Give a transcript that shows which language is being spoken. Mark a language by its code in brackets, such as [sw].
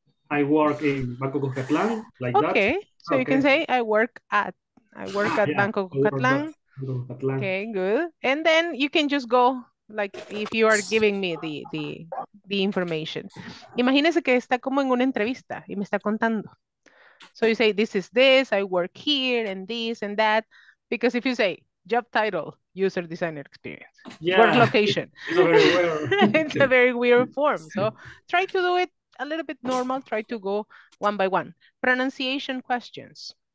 [en] I work in Banco Cucatlán, like okay. That. Okay, so you can say, I work at Banco Cucatlán. Okay, good. And then you can just go, like, if you are giving me the information. [es] Imagínese que está como en una entrevista y me está contando. [en] So you say, this is this, I work here, and this and that. Because if you say, job title, user designer experience, yeah, work location, it's a very weird form. So try to do it a little bit normal. Try to go one by one. Pronunciation questions.